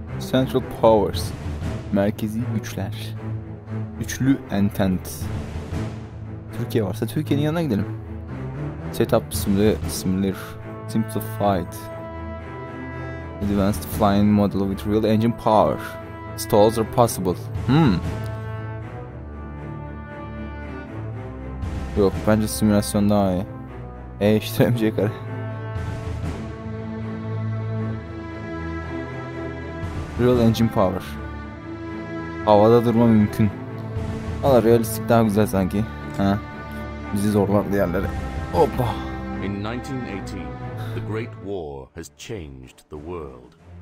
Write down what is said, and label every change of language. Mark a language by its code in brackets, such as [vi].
[tr] Central Powers, merkezi güçler, üçlü entent. Türkiye varsa Türkiye'nin yanına gidelim. [en] Setup simulator, simplified, advanced flying model with real engine power, stalls are possible. [tr] Yok, bence simülasyon daha iyi. Eşitlemeyecek hala. [en] Real engine power. [tr] Havada durma mümkün. Valla realistik daha güzel sanki. Ha. Bizi zorlar diğerleri. Hoppa. [en] In 1918, the Great War has changed the world.